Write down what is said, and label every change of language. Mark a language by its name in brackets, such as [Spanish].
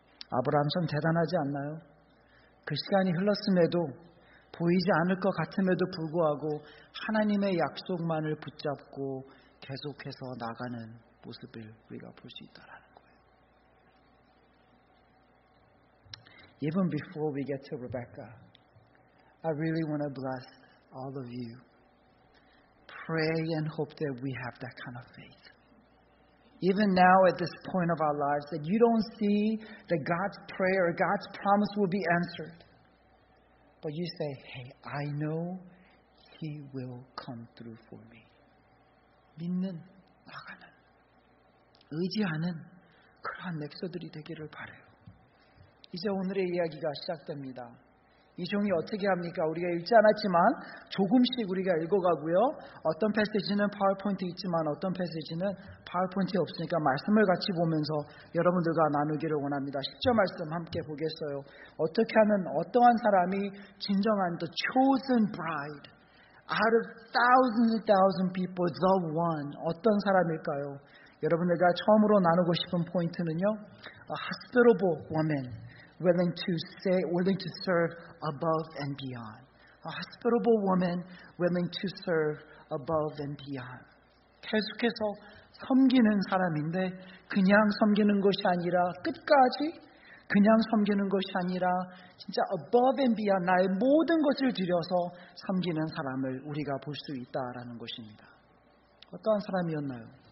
[Korean] 아브라함 참 대단하지 않나요? 그 시간이 흘렀음에도, 보이지 않을 것 같음에도 불구하고 하나님의 약속만을 붙잡고 계속해서 나가는 모습을 우리가 볼 수 있다라는 거예요. [English] Even before we get to Rebecca, I really want to bless all of you. Pray and hope that we have that kind of faith. Even now at this point of our lives, that you don't see that God's prayer or God's promise will be answered. But you say, hey, I know He will come through for me. [Korean] 믿는, 나가는, 의지하는 그러한 넥서들이 되기를 바라요. 이제 오늘의 이야기가 시작됩니다. 이 종이 어떻게 합니까? 우리가 읽지 않았지만 조금씩 우리가 읽어가고요. 어떤 패시지는 파워포인트 있지만 어떤 패시지는 파워포인트 없으니까 말씀을 같이 보면서 여러분들과 나누기를 원합니다. 10절 말씀 함께 보겠어요. 어떻게 하면 어떠한 사람이 진정한 [English] the chosen bride out of thousands and thousands of people, the one, [Korean] 어떤 사람일까요? 여러분들과 처음으로 나누고 싶은 포인트는요. [English] A hospitable woman. Willing to serve above and beyond. A hospitable woman willing to serve above and beyond. [Korean] 계속해서 섬기는 사람인데 그냥 섬기는 것이 아니라 끝까지 그냥 섬기는 것이 아니라 진짜 [English] above and beyond [Korean] 나의 모든 것을 들여서 섬기는 사람을 우리가 볼 수 있다라는 것입니다. 어떠한 사람이었나요?